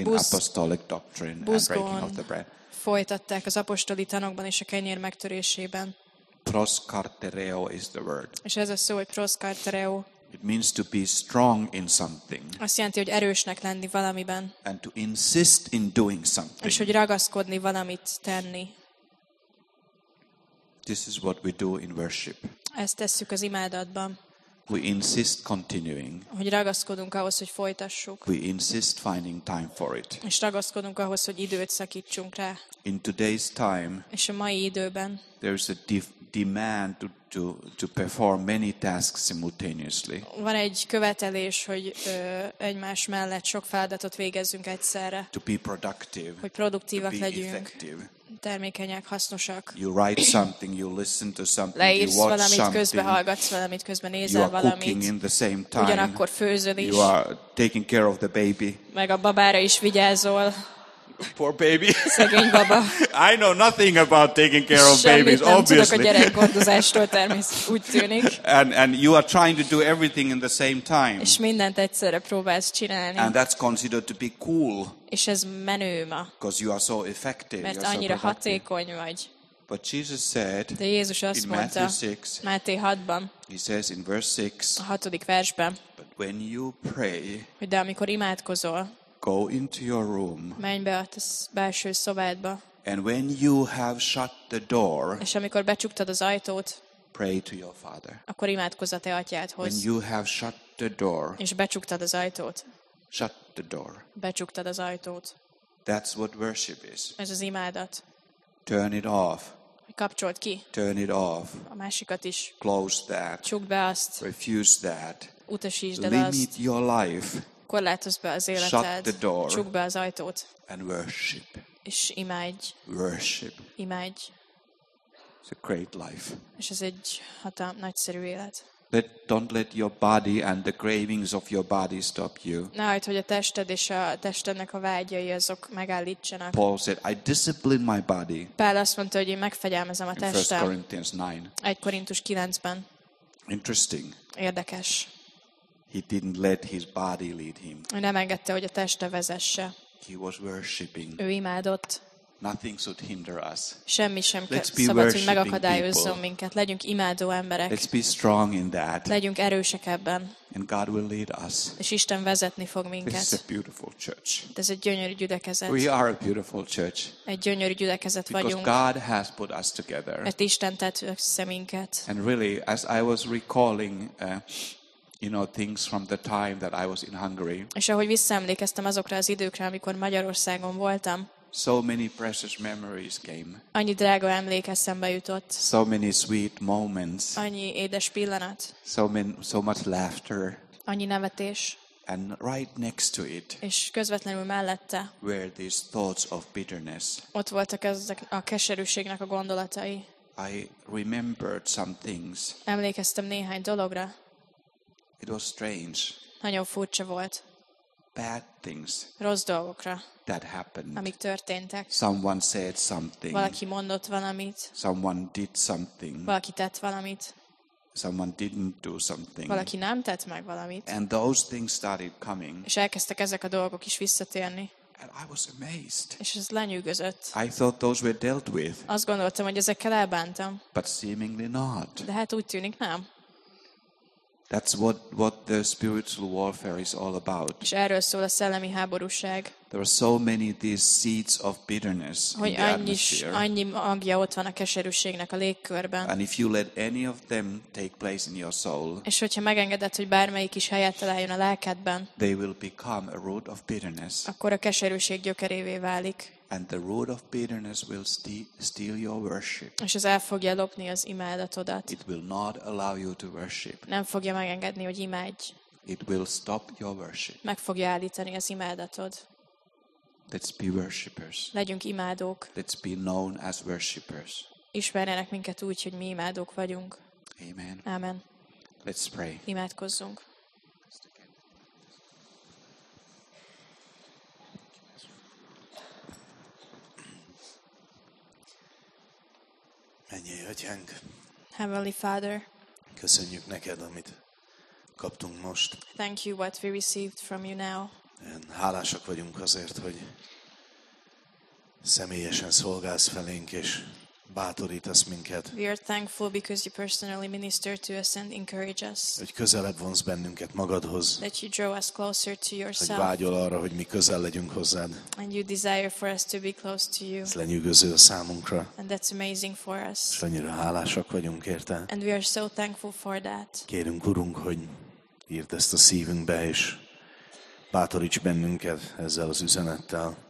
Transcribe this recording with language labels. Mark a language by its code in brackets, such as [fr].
[en] in apostolic doctrine and breaking of the bread. [hu] Folytatták az apostoli tanokban és a kenyér megtörésében. [en] Proskartereo is the word. [hu] És ez a szó, hogy proskartereo. [en] It means to be strong in something. [hu] Azt jelenti, hogy erősnek lenni valamiben. [en] And to insist in doing something. [hu] És hogy ragaszkodni valamit tenni. [en] This is what we do in worship. [hu] Ezt tesszük az imádatban. [en] We insist continuing. [hu] Hogy ragaszkodunk ahhoz, hogy folytassuk. [en] We insist finding time for it. [hu] És ragaszkodunk ahhoz, hogy időt szakítsunk rá. [en] In today's time. [hu] És a mai időben. [en] There is a demand to perform many tasks simultaneously. [hu] Van egy követelés, hogy egymás mellett sok feladatot végezzünk egyszerre. [en] To be productive. [hu] Hogy produktívak [en] to be [hu] legyünk. [en] Effective. [hu] Termékenyek, hasznosak. [en] You write something, you listen to something, you watch [hu] valamit, [en] something. [hu] Közben hallgatsz valamit, közben nézel valamit. [en] You are cooking in the same time. [hu] Ugyanakkor főzöl is. [en] You are taking care of the baby. [hu] Meg a babára is vigyázol. [en] Poor baby. [hu] Szegény baba. [en] I know nothing about taking care of [hu] Semmit [en] babies, obviously. [hu] Semmit nem tudok a gyerekgondozástól, természetesen úgy tűnik. [en] And you are trying to do everything in the same time. [hu] És mindent egyszerre próbálsz csinálni. [en] And that's considered to be cool. [hu] És ez menő ma. [en] Because you are so effective. [hu] Mert annyira hatékony vagy. [en] But Jesus said, [hu] de Jézus azt [en] in [hu] mondta, [en] Matthew [hu] 6-ban, [en] he says in verse 6, [hu] a hatodik versben, [en] but when you pray, [hu] hogy de amikor imádkozol, [en] go into your room. [hu] Menj be a belső szobádba. [en] And when you have shut the door. [hu] És amikor becsuktad az ajtót. [en] Pray to your father. [hu] Akkor imádkozz a te atyádhoz. [en] When you have shut the door. [hu] És becsuktad az ajtót. [en] Shut the door. [hu] Becsuktad az ajtót. [en] That's what worship is. [hu] Ez az imádat. [en] Turn it off. [hu] Kapcsold ki. [en] Turn it off. [hu] A másikat is. [en] Close that. [hu] Csukd be azt. [en] Refuse that. [hu] Utasítsd el azt. [en] Limit your life. [hu] Korlátozz be az életed, csukd be az ajtót, [en] and worship. [hu] És imádj. [en] Worship. [hu] Imádj. [en] It's a great life. [hu] És ez egy hatalmas, nagyszerű élet. [en] But don't let your body and the cravings of your body stop you. [hu] Ne hagyd, hogy a tested és a testednek a vágyai azok megállítsanak. [en] Paul said, I discipline my body. [hu] Pál azt mondta, hogy én megfegyelmezem a testem. [en] 1 Corinthians 9. [hu] 1 Korintus 9-ben. [en] Interesting. [hu] Érdekes. [en] He didn't let his body lead him. [hu] Nem engedte, hogy a teste vezesse. [en] He was worshiping. [hu] Ő imádott. [en] Nothing should hinder us. [hu] Semmi sem szabad, hogy megakadályozzon minket. Legyünk imádó emberek. [en] Let's be strong in that. [hu] Legyünk erősek ebben. [en] And God will lead us. [hu] És Isten vezetni fog minket. [en] This is a beautiful church. [hu] Ez egy gyönyörű gyülekezet. [en] We are a beautiful church. [hu] Egy gyönyörű gyülekezet vagyunk. [en] Because God has put us together. [hu] Mert Isten tett össze minket. [en] And really, as I was recalling, you know, things from the time that I was in Hungary. [hu] És ahogy visszaemlékeztem azokra az időkre, amikor Magyarországon voltam. [en] So many precious memories came. [hu] Annyi drága emlék eszembe jutott. [en] So many sweet moments. [hu] Annyi édes pillanat. [en] So much laughter. [hu] Annyi nevetés. [en] And right next to it. [hu] És közvetlenül mellette. [en] Were these thoughts of bitterness. [hu] Ott voltak ezek a keserűségnek a gondolatai. [en] I remembered some things. [hu] Emlékeztem néhány dologra. [en] It was strange. [hu] Nagyon furcsa volt. [en] Bad things. [hu] Rossz dolgokra. [en] That happened. [hu] Amik történtek. [en] Someone said something. [hu] Valaki mondott valamit. [en] Someone did something. [hu] Valaki tett valamit. [en] Someone didn't do something. [hu] Valaki nem tett meg valamit. [en] And those things started coming. [hu] És elkezdtek ezek a dolgok is visszatérni. [en] And I was amazed. [hu] És ez lenyűgözött. [en] I thought those were dealt with. [hu] Azt gondoltam, hogy ezekkel elbántam. [en] But seemingly not. [hu] De hát úgy tűnik nem. [en] That's what the spiritual warfare is all about. [hu] És erről szól a szellemi háborúság. [en] There are so many these seeds of bitterness in the atmosphere. [hu] Annyi magja ott van a keserűségnek a légkörben. [en] And if you let any of them take place in your soul, [hu] és hogyha megengeded, hogy bármelyik is helyet találjon a lelkedben, [en] they will become a root of bitterness. [hu] Akkor a keserűség gyökerévé válik. [en] And the root of bitterness will steal your worship. [hu] És ez el fogja lopni az imádatodat. [en] It will not allow you to worship. [hu] Nem fogja megengedni, hogy imádj. [en] It will stop your worship. [hu] Meg fogja állítani az imádatod. [en] Let's be worshipers. [hu] Legyünk imádók. [en] Let's be known as worshipers. [hu] Ismerjenek minket úgy, hogy mi imádók vagyunk. [en] Amen. [hu] Amen. [en] Let's pray. [hu] Imádkozzunk. Mennyei Atyánk, [en] Heavenly Father, [hu] köszönjük neked, amit kaptunk most. [en] Thank you what we received from you now. [hu] Hálásak vagyunk azért, hogy személyesen szolgálsz felénk, és bátorítasz minket. [en] We are thankful because you personally minister to us and encourage us. [hu] Hogy közelebb vonz bennünket magadhoz. [en] That you draw us closer to yourself. [hu] Hogy vágyol arra, hogy mi közel legyünk hozzád. [en] And you desire for us to be close to you. [hu] Ez lenyűgöző a számunkra. [en] And that's amazing for us. [hu] És annyira hálásak vagyunk érte. [en] And we are so thankful for that. [hu] Kérünk, Urunk, hogy írd ezt a szívünkbe, és bátoríts bennünket ezzel az üzenettel.